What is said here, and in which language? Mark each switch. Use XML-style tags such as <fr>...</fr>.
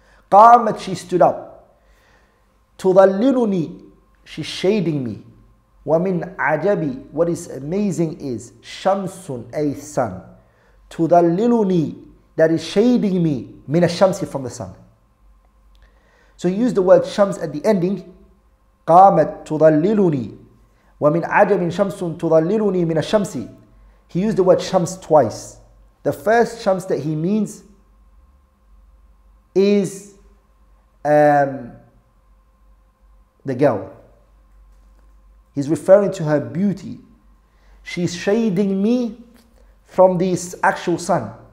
<en>قامت, she stood up. تضللني, she's shading me.</en> <ar>ومن عجبي,</ar> <en>what is amazing is شمس, a sun. تضللني, that is shading me.</en> <ar>من الشمس,</ar> <en>from the sun. So he used the word shams at the ending.</en> <ar>قامت تضللني ومن عجب شمس تضللني من الشمس.</ar> <en>He used the word شمس twice. The first شمس that he means is the girl. He's referring to her beauty. She's shading me from this actual sun.</en>